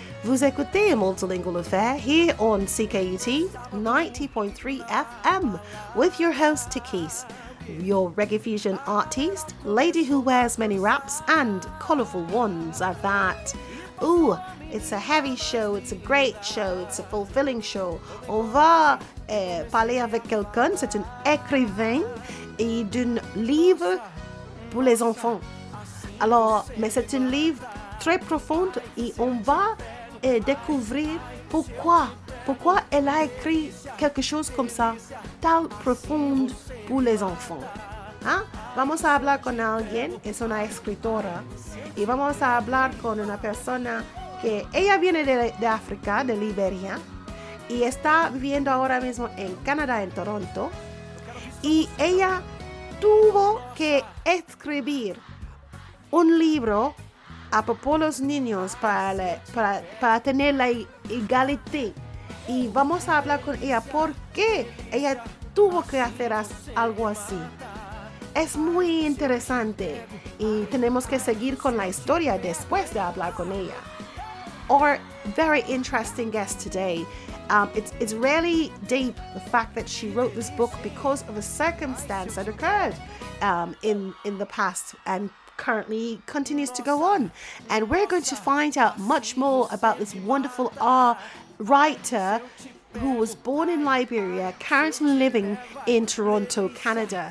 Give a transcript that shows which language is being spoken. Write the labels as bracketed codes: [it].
[fr] Vous écoutez [en] A Multilingual Affair here on CKUT 90.3 FM with your host, Tikis, your reggae fusion artist, lady who wears many wraps and colourful ones at that. Ooh, it's a heavy show, it's a great show, it's a fulfilling show. [fr] On va parler avec quelqu'un, c'est un écrivain et d'un livre pour les enfants. Alors, mais c'est un livre très profond et on va découvrir pourquoi elle a écrit quelque chose comme ça, tal profond pour les enfants. Hein? [es] Vamos a hablar con alguien, es una escritora, y vamos a hablar con una persona que ella viene de África, de Liberia, y está viviendo ahora mismo en Canadá, en Toronto, y ella tuvo que escribir un libro a propósito de los niños para tener la igualdad. Y vamos a hablar con ella por qué ella tuvo que hacer algo así. Es muy interesante y tenemos que seguir con la historia después de hablar con ella. [en] Our very interesting guest today. It's really deep, the fact that she wrote this book because of a circumstance that occurred in the past and currently continues to go on. And we're going to find out much more about this wonderful writer who was born in Liberia, currently living in Toronto, Canada.